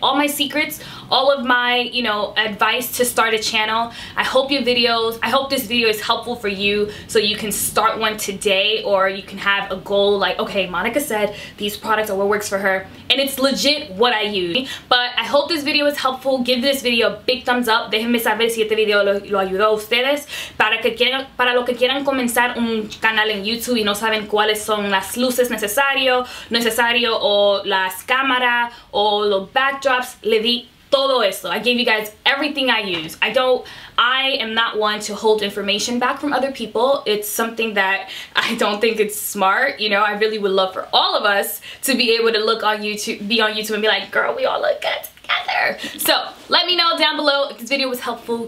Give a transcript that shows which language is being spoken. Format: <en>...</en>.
<en>All my secrets, all of my, you know, advice to start a channel. I hope this video is helpful for you so you can start one today, or you can have a goal like, okay, Monica said these products are what works for her, and it's legit what I use. But I hope this video is helpful. Give this video a big thumbs up.</en> <es>Déjenme saber si este video lo ayudó a ustedes. Para lo que quieran comenzar un canal en YouTube y no saben cuáles son las luces necesario o las cámaras, o los backdrops, le di todo eso.</es> <en>I gave you guys everything I use. I am not one to hold information back from other people. It's something that I don't think it's smart. You know, I really would love for all of us to be able to look on YouTube, be on YouTube and be like, girl, we all look good together. So let me know down below if this video was helpful.</en>